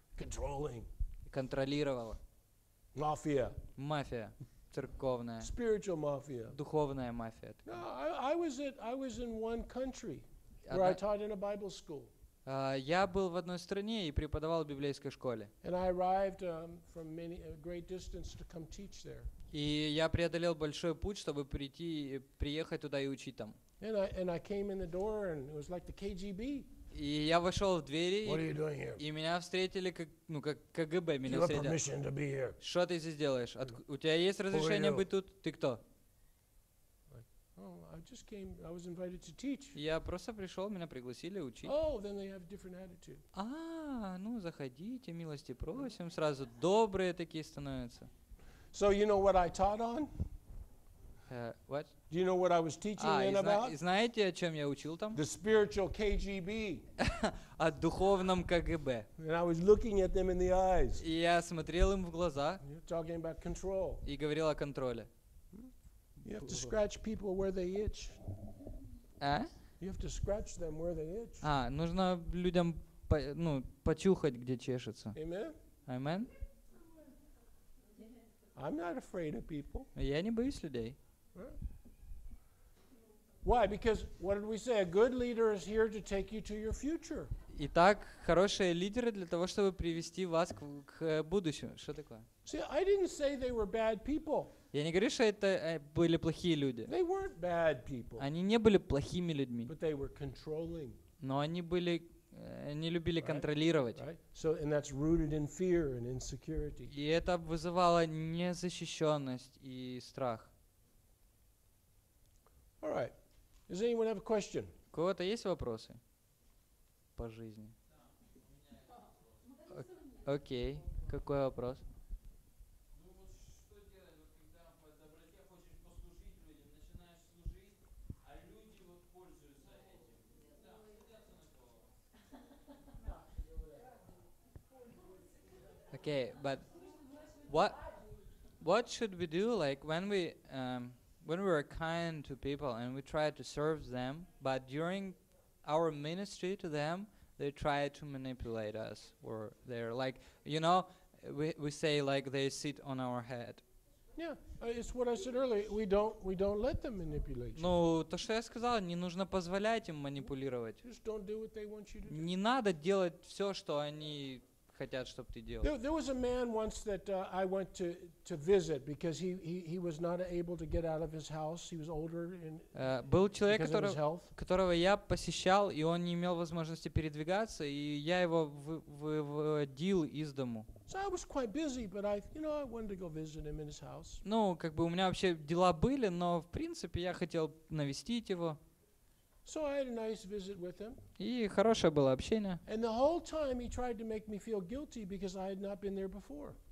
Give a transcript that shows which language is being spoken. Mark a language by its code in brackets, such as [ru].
[en] Controlling. [ru] Контролировала. [en] Mafia. [ru] Мафия. Церковная. [en] Spiritual mafia. [ru] Духовная мафия. [en] No, I was in one country where I taught in a Bible school. [ru] Я был в одной стране и преподавал в библейской школе. [en] And I arrived from many a great distance to come teach there. [ru] И я преодолел большой путь, чтобы прийти, приехать туда и учить там. [en] And I came in the door and it was like the KGB. [ru] И я вошел в двери. [en] What are you doing here? [ru] И меня встретили как КГБ меня встретили. [en] You have permission to be here. [ru] Что ты здесь делаешь? У тебя есть разрешение быть тут? Ты кто? [en] I just came. I was invited to teach. [ru] Я просто пришел, меня пригласили учить. [en] Oh, then they have a different attitude. [ru] Ну заходите, милости просим, сразу добрые такие становятся. [en] So you know what I taught on? What? Do you know what I was teaching in about? [ru] Знаете, о чем я учил там? [en] The spiritual KGB. [ru] О духовном КГБ. [en] And I was looking at them in the eyes. [ru] И я смотрел им в глаза. [en] You're talking about control. [ru] И говорил о контроле. [en] You have to scratch people where they itch. А? You have to scratch them where they itch. [ru] Нужно людям почухать, где чешется. [en] Amen. Amen. I'm not afraid of people. [ru] Я не боюсь людей. [en] Why? Because what did we say? A good leader is here to take you to your future. [ru] Итак, хорошие лидеры для того, чтобы привести вас к будущему. Что такое? [en] See, I didn't say they were bad people. [ru] Я не говорю, что это были плохие люди. [en] They weren't bad people. [ru] Они не были плохими людьми. [en] But they were controlling. [ru] Но они были, они любили [en] right? [ru] контролировать. [en] Right? So, and that's rooted in fear and insecurity. [ru] И это вызывало незащищенность и страх. [en] All right. Does anyone have a question? [ru] У кого-то есть вопросы по жизни? Окей. Какой вопрос? Ну вот что делать, вот когда по доброте хочешь послужить людям, начинаешь служить, а люди вот пользуются этим. Да, сидятся на кого. [en] Окей, but what should we do, like when we when we are kind to people and we try to serve them, but during our ministry to them, they try to manipulate us, or they're like, you know, we say like they sit on our head. Yeah, it's what I said earlier. We don't let them manipulate you. [ru] Ну, то, что я сказал, не нужно позволять им манипулировать. [en] Just don't do what they want you to do. [ru] Не надо делать все, что они хотят, чтобы ты делал. [en] There was a man once that I went to visit because he was not able to get out of his house. He was older and [ru] был человек, которого я посещал, и он не имел возможности передвигаться, и я его выводил из дому. [en] So I was quite busy, but I, you know, I wanted to go visit him in his house. [ru] Ну, как бы у меня вообще дела были, но в принципе я хотел навестить его. [en] So I had a nice visit with him. [ru] И хорошее было общение. [en] And the whole time he tried to make me feel guilty because I had not been there before.